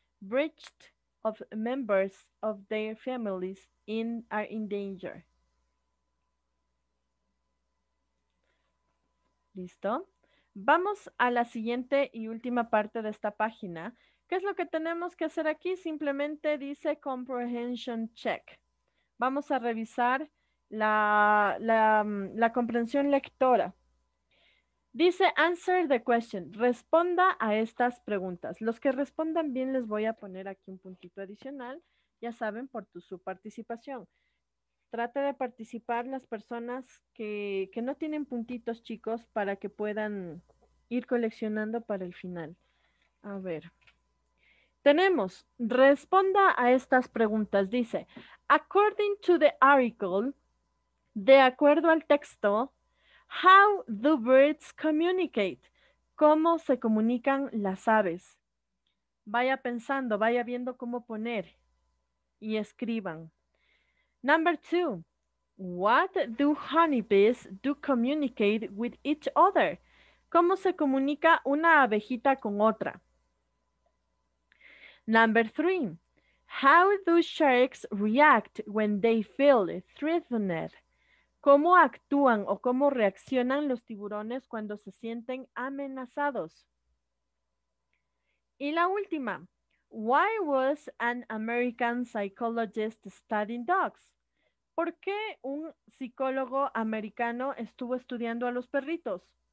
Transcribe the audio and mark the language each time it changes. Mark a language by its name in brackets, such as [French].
[English] Breached of members of their families in are in danger. [Spanish] ¿Listo? Vamos a la siguiente y última parte de esta página. ¿Qué es lo que tenemos que hacer aquí? Simplemente dice comprehension check. Vamos a revisar. La comprensión lectora. Dice, [English] answer the question. [Spanish] Responda a estas preguntas. Los que respondan bien, les voy a poner aquí un puntito adicional. Ya saben, por su participación. Trate de participar las personas que no tienen puntitos, chicos, para que puedan ir coleccionando para el final. A ver. Tenemos, responda a estas preguntas. [English] Dice, according to the article, [Spanish] de acuerdo al texto, [English] how do birds communicate? [Spanish] ¿Cómo se comunican las aves? Vaya pensando, vaya viendo cómo poner y escriban. [English] Number two, what do honeybees do communicate with each other? [Spanish] ¿Cómo se comunica una abejita con otra? [English] Number three, how do sharks react when they feel threatened? [Spanish] ¿Cómo actúan o cómo reaccionan los tiburones cuando se sienten amenazados? Y la última, [English] why was an American psychologist studying dogs? [Spanish] ¿Por qué un psicólogo americano estuvo estudiando a los perritos?